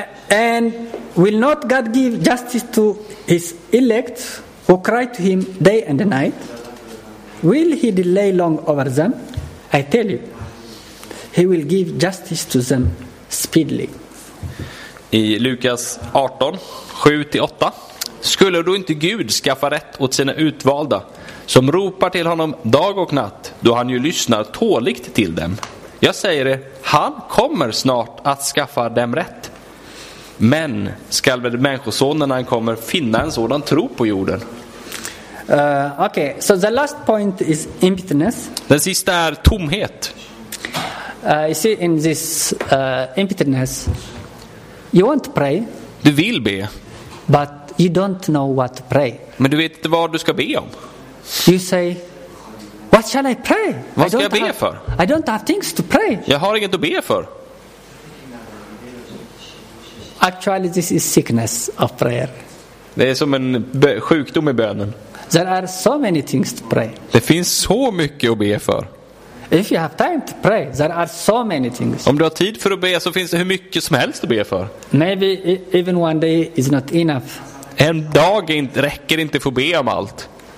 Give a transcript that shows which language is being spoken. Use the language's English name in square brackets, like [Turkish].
[English] And will not God give justice to his elect who cry to him day and night? Will he delay long over them? I tell you, he will give justice to them speedily. [Swedish] I Lukas 18, 7-8. Skulle då inte Gud skaffa rätt åt sina utvalda som ropar till honom dag och natt, då han ju lyssnar tåligt till dem? Jag säger det, han kommer snart att skaffa dem rätt. Men skall väl människosonen när han kommer finna en sådan tro på jorden? [English] Okay, so the last point is emptiness. [Swedish] Den sista är tomhet. [English] You see, in this emptiness, you want to pray. [Swedish] Du vill be. [English] But you don't know what to pray. [Swedish] Men du vet inte vad du ska be om. [English] You say, what shall I pray? [Swedish] Vad ska jag be för? [English] I don't have things to pray. [Swedish] Jag har inget att be för. [English] Actually, this is sickness of prayer. [Swedish] Det är som en sjukdom i bönen. [English] There are so many things to pray. [Swedish] Det finns så mycket att be för. [English] If you have time to pray, there are so many things. [Swedish] Om du har tid för att be så finns det hur mycket som helst att be för. [English] Maybe even one day is not enough. [Swedish] En dag räcker inte för att be om allt.